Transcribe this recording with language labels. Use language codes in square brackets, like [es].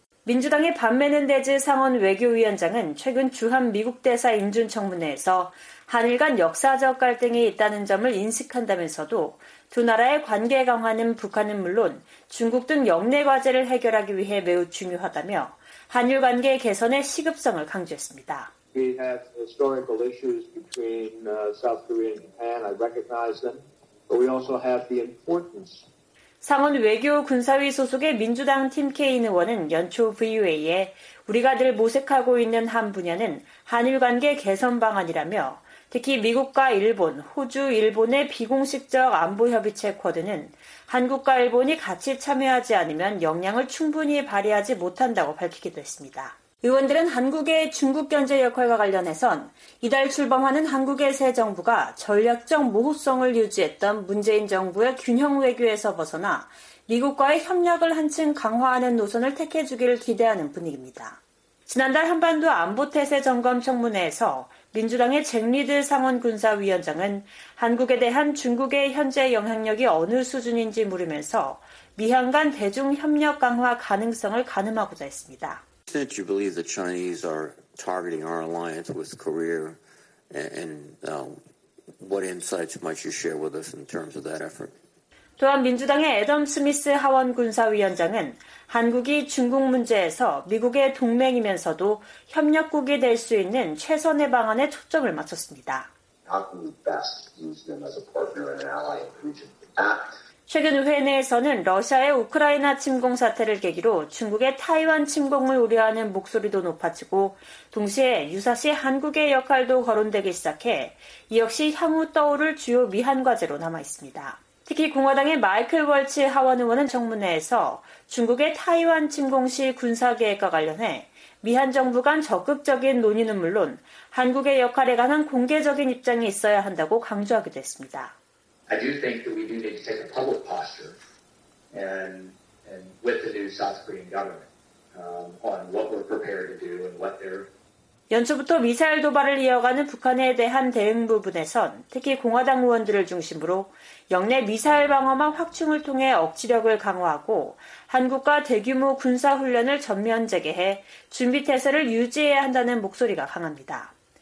[ko] 민주당의 반메넨 데즈 상원 외교위원장은 최근 주한 미국 대사 인준 청문회에서 한일 간 역사적 갈등이 있다는 점을 인식한다면서도 두 나라의 관계 강화는 북한은 물론 중국 등 역내 과제를 해결하기 위해 매우 중요하다며 한일 관계 개선의 시급성을 강조했습니다. [en] We have historical issues between South Korea and Japan. I recognize them, but we also have the importance. [ko] 상원 외교 군사위 소속의 민주당 팀 케인 의원은 연초 VOA에 우리가 늘 모색하고 있는 한 분야는 한일 관계 개선 방안이라며 특히 미국과 일본, 호주, 일본의 비공식적 안보협의체 쿼드는 한국과 일본이 같이 참여하지 않으면 역량을 충분히 발휘하지 못한다고 밝히기도 했습니다. 의원들은 한국의 중국 견제 역할과 관련해선 이달 출범하는 한국의 새 정부가 전략적 모호성을 유지했던 문재인 정부의 균형 외교에서 벗어나 미국과의 협력을 한층 강화하는 노선을 택해주기를 기대하는 분위기입니다. 지난달 한반도 안보태세 점검 청문회에서 민주당의 잭리드 상원군사위원장은 한국에 대한 중국의 현재 영향력이 어느 수준인지 물으면서 미한 간 대중협력 강화 가능성을 가늠하고자 했습니다. [en] Do you believe the Chinese are targeting our alliance with Korea? And what insights might you share with us in terms of that effort? [ko] 또한 민주당의 애덤 스미스 하원 군사위원장은 한국이 중국 문제에서 미국의 동맹이면서도 협력국이 될 수 있는 최선의 방안에 초점을 맞췄습니다. [en] How can we best use them as a partner and ally in region? [ko] 최근 의회 내에서는 러시아의 우크라이나 침공 사태를 계기로 중국의 타이완 침공을 우려하는 목소리도 높아지고 동시에 유사시 한국의 역할도 거론되기 시작해 이 역시 향후 떠오를 주요 미한 과제로 남아 있습니다. 특히 공화당의 마이클 월츠 하원 의원은 청문회에서 중국의 타이완 침공 시 군사 계획과 관련해 미한 정부 간 적극적인 논의는 물론 한국의 역할에 관한 공개적인 입장이 있어야 한다고 강조하기도 했습니다. [en] I do think that we do need to take a public posture and with the new South Korean government on what we're prepared to do and what they're [ko] 연초부터 미사일 도발을 이어가는 북한에 대한 대응 부분에선 특히 공화당 의원들을 중심으로 영내 미사일 방어망 확충을 통해 억지력을 강화하고 한국과 대규모 군사훈련을 전면 재개해 준비태세를 유지해야 한다는 목소리가 강합니다.